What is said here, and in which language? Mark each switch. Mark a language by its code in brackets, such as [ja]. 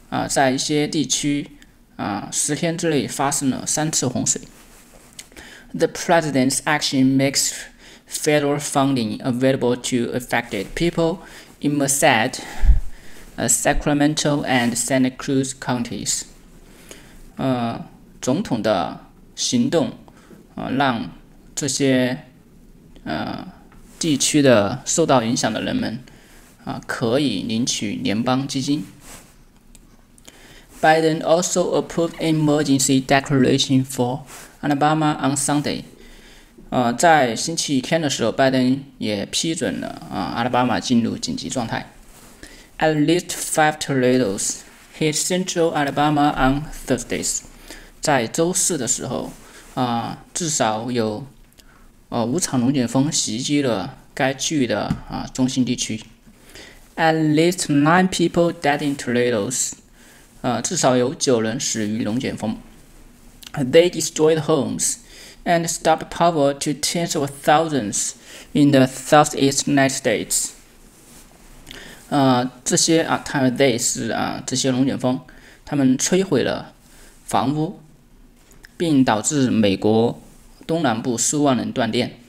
[zh] 在一些地区十天之内发生了三次洪水。 [en] The president's action makes federal funding available to affected people in Merced, Sacramento, and Santa Cruz counties. [zh] 总统的行动让这些地区的受到影响的人们可以领取联邦基金。 [en] Biden also approved an emergency declaration for Alabama on Sunday. [zh] 在星期天的时候拜登也批准了Alabama进入紧急状态。 [en] At least five tornadoes hit central Alabama on Thursdays. [zh] 在周四的时候至少有五场龙卷风袭击了该区域的中心地区。 [en] At least nine people died in tornadoes. [zh] 至少有九人死于龙卷风。 [en] They destroyed homes and stopped power to tens of thousands in the southeast United States. [zh] 这些他们 they 是这些龙卷风他们摧毁了房屋。并导致美国东南部数万人断电。